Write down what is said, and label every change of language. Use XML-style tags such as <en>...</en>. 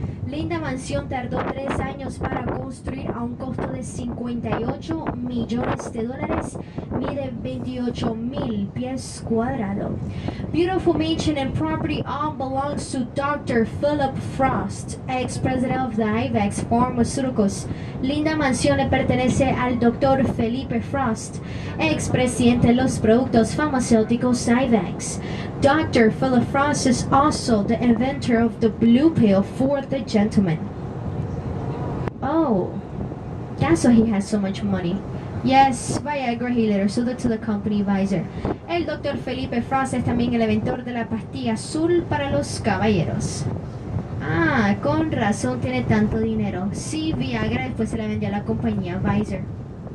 <es>Linda Mansión tardó 3 años para construir a un costo de 58 millones de dólares, mide 28,000 pies cuadrados.</es> <en>Beautiful mansion and property all belongs to Dr. Philip Frost, ex-president of the Ibex Pharmaceuticals.</en> <es>Linda Mansión le pertenece al Dr. Felipe Frost, ex-presidente de los productos farmacéuticos Ibex. Dr.</es> <en>Philip Frost is also the inventor of the blue pill for the gentleman. Oh, that's why he has so much money. Yes, Viagra he later sold it to the company Pfizer.</en> <es>El Dr. Felipe Frost es también el inventor de la pastilla azul para los caballeros. Ah, con razón tiene tanto dinero. Sí, Viagra después se la vendió a la compañía Pfizer.</es>